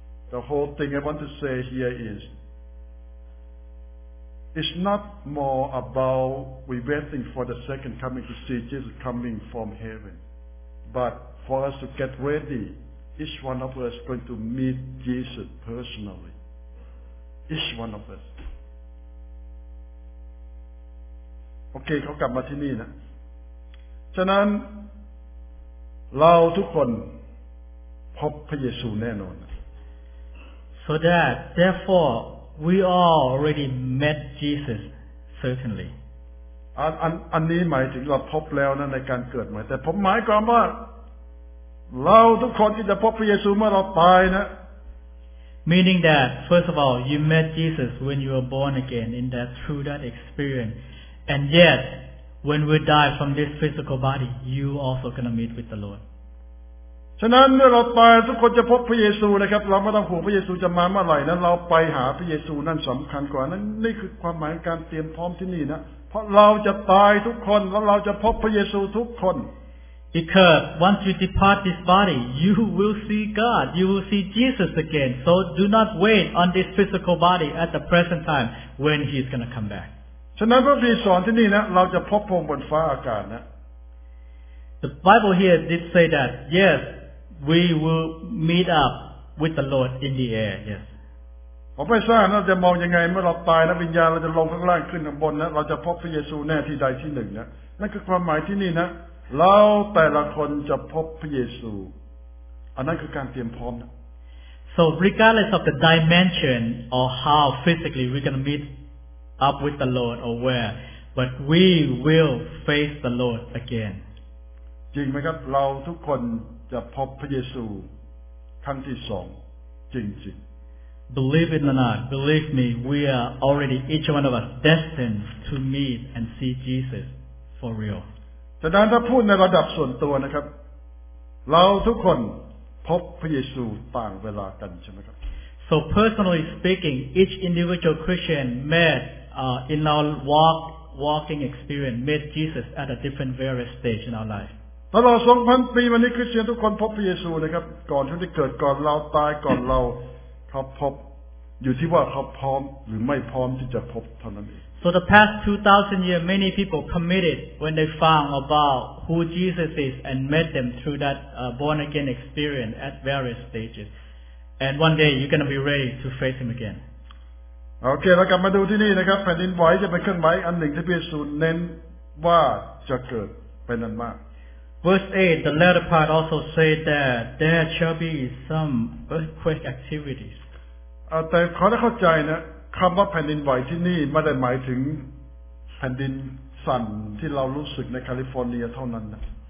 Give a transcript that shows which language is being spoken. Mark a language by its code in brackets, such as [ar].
[en] The whole thing I want to say here is, it's not more about we're waiting for the second coming to see Jesus coming from heaven, but for us to get ready, each one of us is going to meet Jesus personally. Each one of us. [th] Okay, เขากลับมาที่นี่นะ ฉะนั้น เราทุกคน พบพระเยซูแน่นอน [en] So that, therefore, we all already met Jesus, certainly. [th] อันนี้หมายถึงเราพบแล้วนะในการเกิดใหม่แต่ผมหมายความว่าเราทุกคนที่จะพบพระเยซูเมื่อเราตายนะ [en] Meaning that, first of all, you met Jesus when you were born again in that through that experience. And yet, when we die from this physical body, you also gonna meet with the Lord. [th] ฉะนั้นเมื่อเราตายทุกคนจะพบพระเยซูนะครับเราไม่ต้องห่วงพระเยซูจะมาเมื่อไหร่นั้นเราไปหาพระเยซูนั่นสำคัญกว่านั้นนี่คือความหมายการเตรียมพร้อมที่นี่นะเพราะเราจะตายทุกคนแล้วเราจะพบพระเยซูทุกคน [en] Because once you depart this body you will see God you will see Jesus again so do not wait on this physical body at the present time when He is going to come back [th] ฉะนั้นพระคัมภีร์สอนที่นี่นะเราจะพบพระองค์บนฟ้าอากาศนะ [en] The Bible here did say that yesWe will meet up with the Lord in the air. Yes. [th] ผมไม่ทราบนะจะมองยังไงเมื่อเราตายนะวิญญาณเราจะลงข้างล่างขึ้นข้างบนนะเราจะพบพระเยซูแน่ที่ใดที่หนึ่งนะนั่นคือความหมายที่นี่นะเราแต่ละคนจะพบพระเยซูอันนั้นคือการเตรียมพร้อมนะ [en] So regardless of the dimension or how physically we're gonna meet up with the Lord or where, but we will face the Lord again. [th] จริงไหมครับเราทุกคนจะพบพระเยซูครั้งที่สองจริง [en] ๆ Believe it or not, believe me, we are already each one of us destined to meet and see Jesus for real. [th] ฉะนั้นถ้าพูดในระดับส่วนตัวนะครับเราทุกคนพบพระเยซูต่างเวลากันใช่ไหมครับ [en] So personally speaking, each individual Christian met in our walking experience met Jesus at a different various stage in our life. [th] ตลอด 2,000 ปีวันนี้คริสเตียนทุกคนพบพระเยซูนะครับก่อนที่จะเกิดก่อนเราตายก่อนเราเขาพบอยู่ที่ว่าเขาพร้อมหรือไม่พร้อมที่จะพบเท่านั้นเอง [en] So the past 2,000 years many people committed when they found about who Jesus is and met them through that born again experience at various stages and one day you're going to be ready to face him again [th] โอเคเรากลับมาดูที่นี่นะครับแผ่นดินไหวจะเป็นเครื่องหมายอันหนึ่งที่พระเยซูเน้นว่าจะเกิดเป็นอันมาก [en] Verse 8 the latter part also say that there shall be some earthquake activities [th] แต่เขาได้เข้าใจนะคำว่าแผ่นดินไหวที่นี่ไม่ได้หมายถึงแผ่นดินสั่นที่เรารู้สึกในแคลิฟอร์เนียเท่านั้นนะ